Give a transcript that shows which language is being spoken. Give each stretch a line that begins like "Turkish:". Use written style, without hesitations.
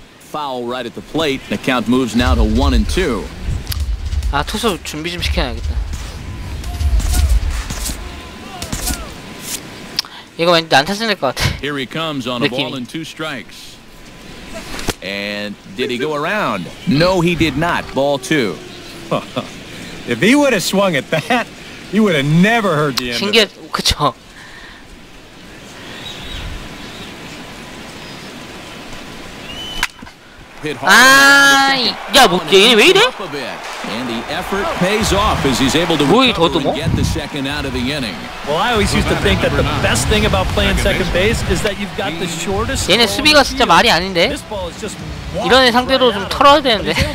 English: 파울 right at the plate. The count moves now to 1 and 2.
Korean: 아, 투수 준비 좀 시켜야겠다. 이거 왠지 난타전 될 것 같아.
English: Here he comes on a ball and two strikes. And did he go around? No, he did not. Ball 2. If he would have swung at that, you would have never heard the end.
Korean: 신기해. 그쵸. 아이 야 뭐 얘 왜 이래?
English: 뭐 the effort pays off as he's able to get the second out of the inning. Well, I always used to think that the best thing about playing second base is that you've got the shortest.
Korean: 얘네 수비가 진짜 말이 아닌데. 이런 애 상대로 좀 털어야 되는데.